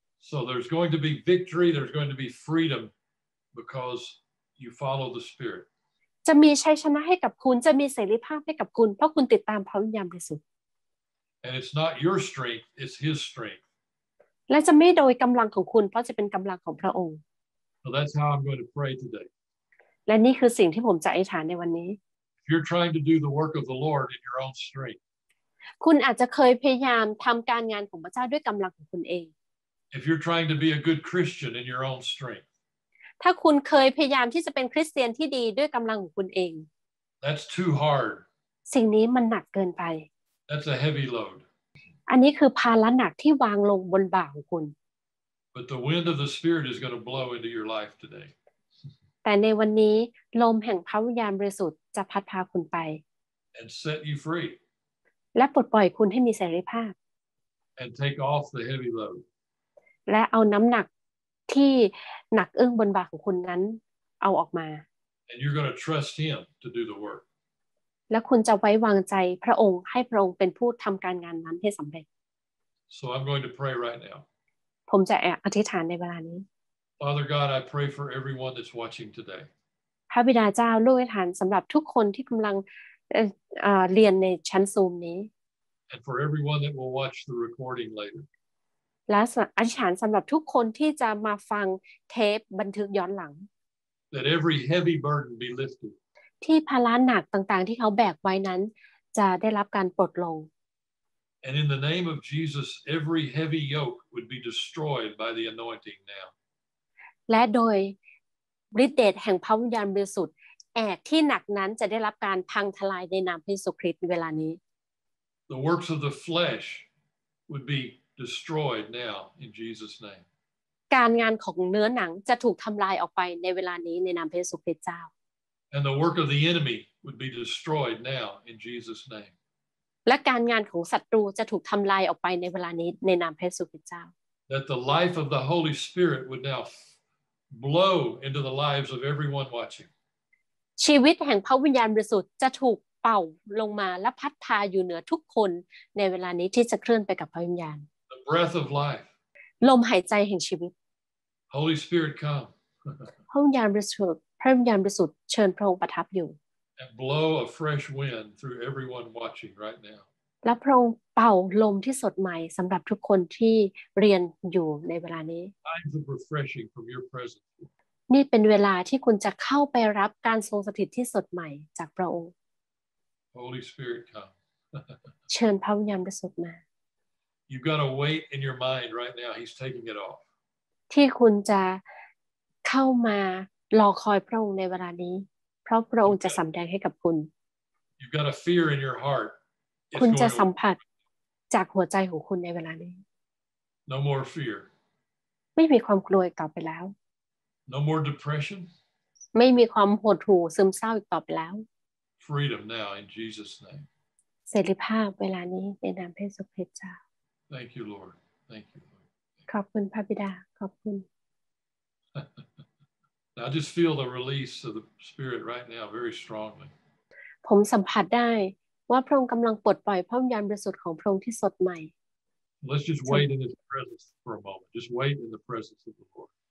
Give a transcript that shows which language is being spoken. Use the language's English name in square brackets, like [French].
[English] So there's going to be victory. There's going to be freedom because you follow the spirit. [Thai] จะมีชัยชนะให้กับคุณจะมีเสรีภาพให้กับคุณเพราะคุณติดตามพระวิญญาณบริสุทธิ์ [English] And it's not your strength. It's His strength. [Thai] และจะไม่โดยกำลังของคุณเพราะจะเป็นกำลังของพระองค์ [English] So that's how I'm going to pray today. [Thai] และนี่คือสิ่งที่ผมจะอธิษฐานในวันนี้ [English] If you're trying to do the work of the Lord in your own strength. [Thai] คุณอาจจะเคยพยายามทำการงานของพระเจ้าด้วยกำลังของคุณเอง [English] If you're trying to be a good Christian in your own strength. [Thai] ถ้าคุณเคยพยายามที่จะเป็นคริสเตียนที่ดีด้วยกำลังของคุณเอง [English] That's too hard. [Thai] สิ่งนี้มันหนักเกินไป [English] That's a heavy load. [Thai] อันนี้คือภาระหนักที่วางลงบนบ่าของคุณ [English] But the wind of the Spirit is going to blow into your life today. [Thai] แต่ในวันนี้ลมแห่งพระวิญญาณบริสุทธิ์จะพัดพาคุณไป [English] And set you free. [Thai] และปลดปล่อยคุณให้มีเสรีภาพ [English] And take off the heavy load. [Thai] และเอาน้ำหนักที่หนักอึ้งบนบ่าของคุณนั้นเอาออกมา [English] And you're going to trust Him to do the work. [Thai] และคุณจะไว้วางใจพระองค์ให้พระองค์เป็นผู้ทำการงานนั้นให้สำเร็จ [English] So I'm going to pray right now. [Thai] ผมจะอธิษฐานในเวลานี้ [English] Father God I pray for everyone that's watching today [Thai] พระบิดาเจ้าลูกอธิษฐานสำหรับทุกคนที่กำลังเรียนในชั้นซูมนี้ [English] And for everyone that will watch the recording later [Thai] และอธิษฐานสำหรับทุกคนที่จะมาฟังเทปบันทึกย้อนหลัง [English] That every heavy burden be lifted [Thai] ที่ภาระหนักต่างๆที่เขาแบกไว้นั้นจะได้รับการปลดลง [English] And in the name of Jesus, every heavy yoke would be destroyed by the anointing now. [Thai] และโดยฤทธิ์เดชแห่งพระวิญญาณบริสุทธิ์แอกที่หนักนั้นจะได้รับการพังทลายในนามพระเยซูคริสต์เวลานี้ [English] The works of the flesh would be destroyed now in Jesus' name. [Thai] การงานของเนื้อหนังจะถูกทำลายออกไปในเวลานี้ในนามพระเยซูคริสต์เจ้า [English] And the work of the enemy would be destroyed now in Jesus' name. [Thai] และการงานของศัตรูจะถูกทำลายออกไปในเวลานี้ในนามพระเยซูคริสต์เจ้า [English] That the life of the Holy Spirit would now blow into the lives of everyone watching [Thai] ชีวิตแห่งพระวิญญาณบริสุทธิ์จะถูกเป่าลงมาและพัดพาอยู่เหนือทุกคนในเวลานี้ที่จะเคลื่อนไปกับพระวิญญาณ [English] The breath of life [Thai] ลมหายใจแห่งชีวิต [English] Holy Spirit come [Thai] พระวิญญาณบริสุทธิ์พระวิญญาณบริสุทธิ์เชิญพระองค์ประทับอยู่ [English] And blow a fresh wind through everyone watching right now. [Thai] และพระองค์เป่าลมที่สดใหม่สำหรับทุกคนที่เรียนอยู่ในเวลานี้ [English] Times of refreshing from your presence. [Thai] นี่เป็นเวลาที่คุณจะเข้าไปรับการทรงสถิตที่สดใหม่จากพระองค์ [English] Holy Spirit come. [Thai] เชิญพระวิญญาณบริสุทธิ์มา [English] You've got a weight in your mind right now. He's taking it off. [Thai] ที่คุณจะเข้ามารอคอยพระองค์ในเวลานี้เพราะพระองค์จะสำแดงให้กับคุณ [English] You've got a fear in your heart. [Thai] คุณจะสัมผัสจากหัวใจของคุณในเวลานี้ [English] No more fear. [Thai] ไม่มีความกลัวอีกต่อไปแล้ว [English] No more depression. [Thai] ไม่มีความหดหู่ซึมเศร้าอีกต่อไปแล้ว [English] freedom now in Jesus' name. [Thai] เสรีภาพเวลานี้ในนามพระเยซูคริสต์เจ้า [English] Thank you, Lord. Thank you, Lord. [Thai] ขอบคุณพระบิดาขอบคุณ [English] I just feel the release of the Spirit right now very strongly. [Thai] ผมสัมผัสได้ว่าพระองค์กำลังปลดปล่อยพระวิญญาณบริสุทธิ์ของพระองค์ที่สดใหม่ [English] Let's just wait in His presence for a moment. Just wait in the presence of the Lord.